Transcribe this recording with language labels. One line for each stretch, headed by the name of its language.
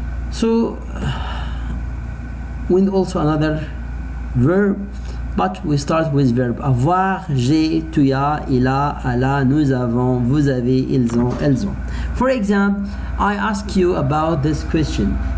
English: So, we need also another verb, but we start with verb avoir.
French: J'ai, tu as, il a, elle a, nous avons, vous avez, ils ont, elles ont.
English: For example, I ask you about this question.